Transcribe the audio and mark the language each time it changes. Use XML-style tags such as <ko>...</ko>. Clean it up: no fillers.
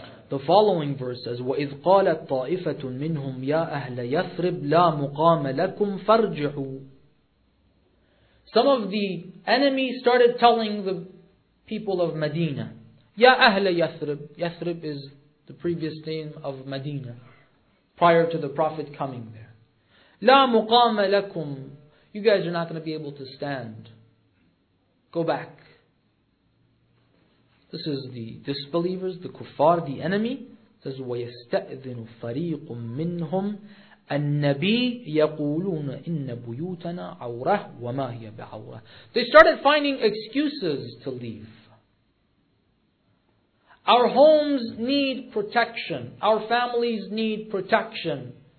<en>The following verse says,</en> <ar>وَإِذْ قَالَتْ طَائِفَةٌ مِّنْهُمْ يَا أَهْلَ يَثْرِبْ لَا مُقَامَ لَكُمْ فَارْجِعُوا.</ar> <en>Some of the enemy started telling the people of Medina, Ya Ahla Yathrib. Yathrib is the previous name of Medina, prior to the Prophet coming there. La muqama lakum. You guys are not going to be able to stand. Go back. This is the disbelievers, the kuffar, the enemy. It says,</en> <ar>وَيَسْتَأْذِنُ فَرِيقٌ مِّنْهُمْ النبي يقولون إن بيوتنا عورة وما هي بعورة.</ar> <en>They started finding excuses to leave. Our homes need protection. Our families need protection.</en>